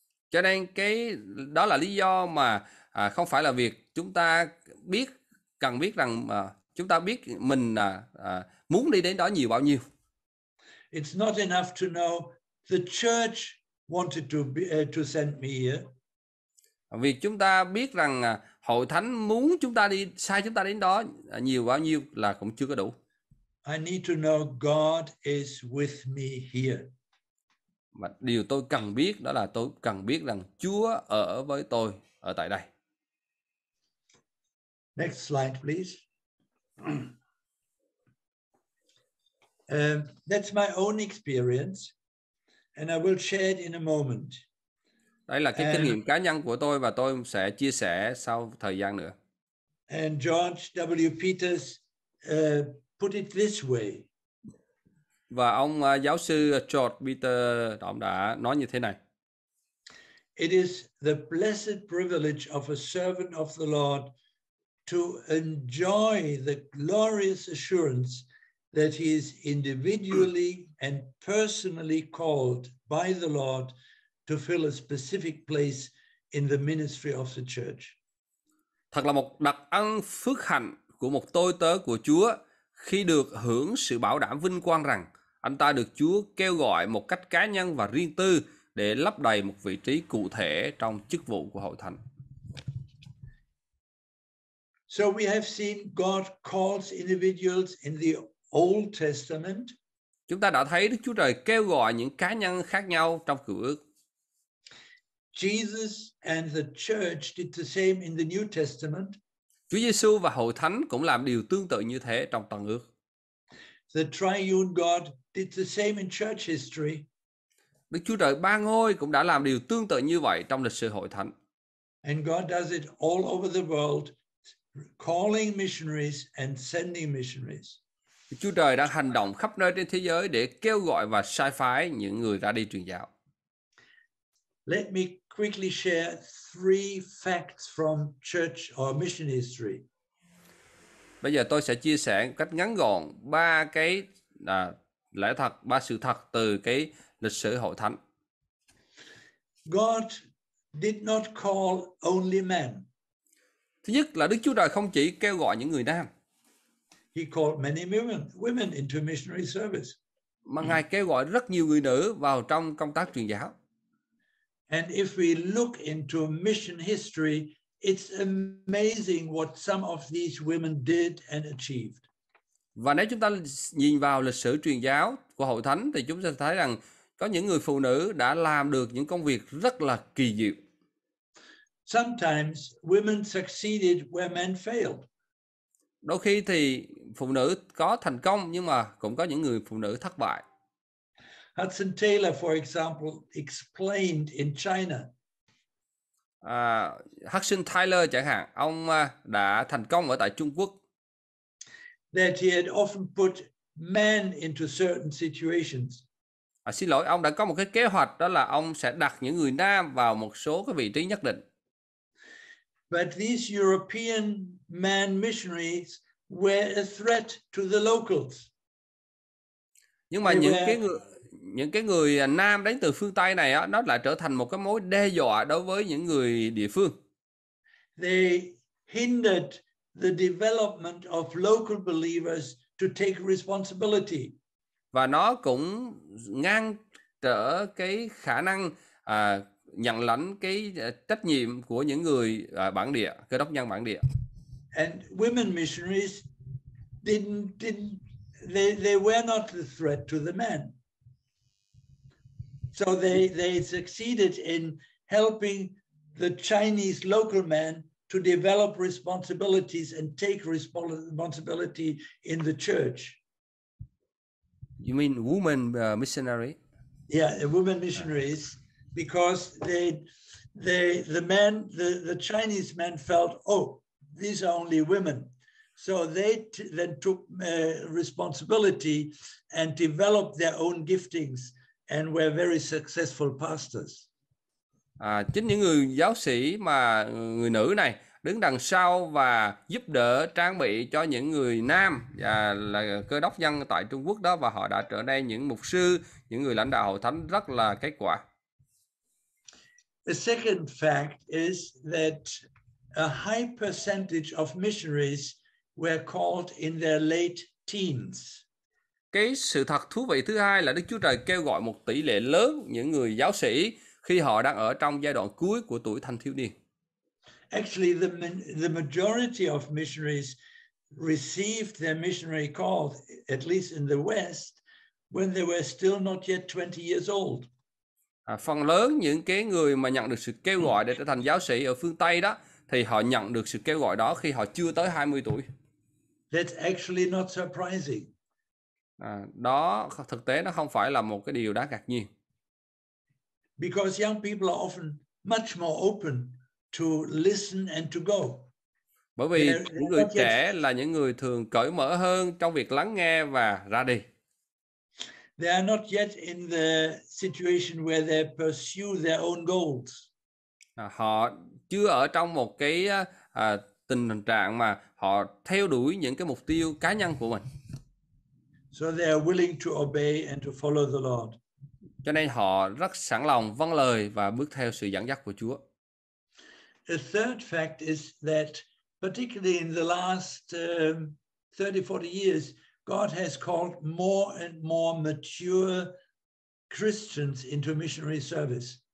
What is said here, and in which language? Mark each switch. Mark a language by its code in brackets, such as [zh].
[vi] Cho nên cái đó là lý do mà không phải là việc chúng ta biết cần biết rằng chúng ta biết mình muốn đi đến đó nhiều bao nhiêu. [en] It's not enough to know the church wanted to be, to send me here. [vi] Vì chúng ta biết rằng hội thánh muốn chúng ta đi sai chúng ta đến đó nhiều bao nhiêu là cũng chưa có đủ. [en] I need to know God is with me here. [vi] Mà điều tôi cần biết đó là tôi cần biết rằng Chúa ở với tôi ở tại đây. [en] Next slide, please. That's my own experience, and I will share it in a moment. [vi] Đây là cái kinh nghiệm cá nhân của tôi và tôi sẽ chia sẻ sau thời gian nữa. [en] And George W. Peters put it this way. [vi] Và ông giáo sư George Peter ông đã nói như thế này. [en] It is the blessed privilege of a servant of the Lord to enjoy the glorious assurance that he is individually and personally called by the Lord to fill a specific place in the ministry of the church. [vi] Thật là một đặc ân phước hạnh của một tôi tớ của Chúa khi được hưởng sự bảo đảm vinh quang rằng anh ta được Chúa kêu gọi một cách cá nhân và riêng tư để lấp đầy một vị trí cụ thể trong chức vụ của hội thánh. [en] So we have seen God calls individuals in the Old Testament. [vi] Chúng ta đã thấy Đức Chúa Trời kêu gọi những cá nhân khác nhau trong Cựu Ước. [en] Jesus and the church did the same in the New Testament. [vi] Chúa Giêsu và hội thánh cũng làm điều tương tự như thế trong Tân Ước. [en] The triune God did the same in church history. [vi] Đức Chúa Trời ba ngôi cũng đã làm điều tương tự như vậy trong lịch sử hội thánh. [en] And God does it all over the world, calling missionaries and sending missionaries. [vi] Đức Chúa Trời đang hành động khắp nơi trên thế giới để kêu gọi và sai phái những người ra đi truyền giáo. [en] Let me quickly share three facts from church or mission history. [vi] Bây giờ tôi sẽ chia sẻ cách ngắn gọn ba cái lẽ thật, ba sự thật từ cái lịch sử hội thánh. [en] God did not call only men. [vi] Thứ nhất là Đức Chúa Trời không chỉ kêu gọi những người nam. [en] He called many women into missionary service. [vi] Mà Ngài kêu gọi rất nhiều người nữ vào trong công tác truyền giáo. [en] And if we look into mission history, it's amazing what some of these women did and achieved. [vi] Và nếu chúng ta nhìn vào lịch sử truyền giáo của hội thánh thì chúng ta thấy rằng có những người phụ nữ đã làm được những công việc rất là kỳ diệu. [en] Sometimes women succeeded where men failed. [vi] Đôi khi thì phụ nữ có thành công nhưng mà cũng có những người phụ nữ thất bại. [en] Hudson Taylor, for example, explained in China. [vi] Hudson Taylor chẳng hạn, ông đã thành công ở tại Trung Quốc. [en] That he had often put men into certain situations. [vi] Xin lỗi, ông đã có một cái kế hoạch đó là ông sẽ đặt những người nam vào một số cái vị trí nhất định. [en] But these European men missionaries were a threat to the locals. [vi] Nhưng mà những cái người nam đến từ phương Tây này á, nó lại trở thành một cái mối đe dọa đối với những người địa phương. [en] They hindered the development of local believers to take responsibility. [vi] Và nó cũng ngăn trở cái khả năng nhận lãnh cái trách nhiệm của những người bản địa, cơ đốc nhân bản địa. [en] And women missionaries they were not a threat to the men. So they succeeded in helping the Chinese local men to develop responsibilities and take responsibility in the church. You mean women missionary? Yeah, women missionaries. Because the Chinese men felt, oh, these are only women. So they then took responsibility and developed their own giftings and were very successful pastors. [vi] Chính những người giáo sĩ mà người nữ này đứng đằng sau và giúp đỡ trang bị cho những người nam và là cơ đốc nhân tại Trung Quốc đó, và họ đã trở nên những mục sư, những người lãnh đạo hội thánh rất là kết quả. [en] The second fact is that a high percentage of missionaries were called in their late teens. [vi] Cái sự thật thú vị thứ hai là Đức Chúa Trời kêu gọi một tỷ lệ lớn những người giáo sĩ khi họ đang ở trong giai đoạn cuối của tuổi thanh thiếu niên. [en] Actually, the majority of missionaries received their missionary call, at least in the West, when they were still not yet 20 years old. [vi] Phần lớn những cái người mà nhận được sự kêu gọi để trở thành giáo sĩ ở phương Tây đó, thì họ nhận được sự kêu gọi đó khi họ chưa tới 20 tuổi. [en] That's actually not surprising. [vi] Đó thực tế nó không phải là một cái điều đáng ngạc nhiên. [en] Because young people are often much more open to listen and to go. [vi] Bởi vì những người trẻ là những người thường cởi mở hơn trong việc lắng nghe và ra đi. [en] They are not yet in the situation where they pursue their own goals. [vi] Họ chưa ở trong một cái tình trạng mà họ theo đuổi những cái mục tiêu cá nhân của mình. [en] So they are willing to obey and to follow the Lord. [vi] Cho nên họ rất sẵn lòng vâng lời và bước theo sự dẫn dắt của Chúa. [en] The third fact is that particularly in the last 30-40 years, God has called more and more mature Christians into missionary service.